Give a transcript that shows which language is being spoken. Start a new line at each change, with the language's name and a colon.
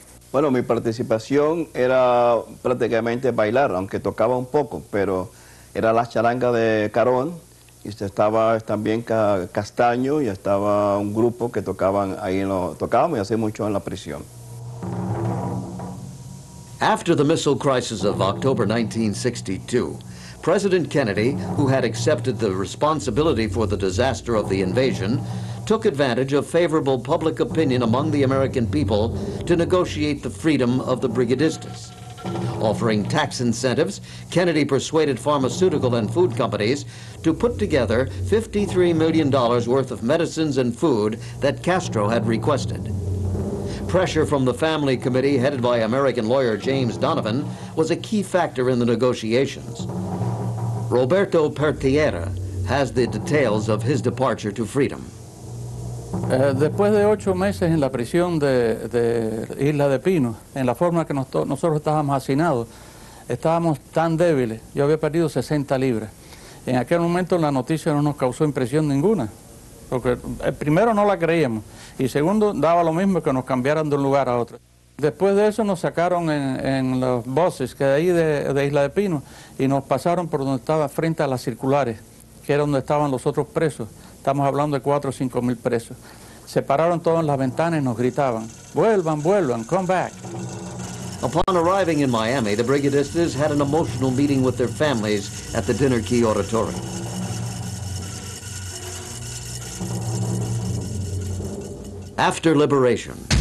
Spanish: Bueno, mi participación era prácticamente bailar, aunque tocaba un poco, pero era la charanga de Carón. Y estaba también Castaño y estaba un grupo que tocaban ahí, tocábamos y hacíamos mucho en la prisión.
English: After the missile crisis of October 1962, President Kennedy, who had accepted the responsibility for the disaster of the invasion, took advantage of favorable public opinion among the American people to negotiate the freedom of the brigadistas. Offering tax incentives, Kennedy persuaded pharmaceutical and food companies to put together $53 million worth of medicines and food that Castro had requested. Pressure from the family committee, headed by American lawyer James Donovan, was a key factor in the negotiations. Roberto Pertiera has the details of his departure to freedom.
Spanish: Después de 8 meses en la prisión de Isla de Pino, en la forma que nosotros estábamos hacinados, estábamos tan débiles, yo había perdido 60 libras. En aquel momento la noticia no nos causó impresión ninguna, porque primero no la creíamos, y segundo, daba lo mismo que nos cambiaran de un lugar a otro. Después de eso nos sacaron en los buses, que de ahí de Isla de Pino, y nos pasaron por donde estaba, frente a las circulares, que era donde estaban los otros presos. Estamos hablando de 4 o 5 mil presos. Se pararon todas las ventanas y nos gritaban, vuelvan, vuelvan,
English: come back. Upon arriving in Miami, the brigadistas had an emotional meeting with their families at the Dinner Key Auditorium. After liberation.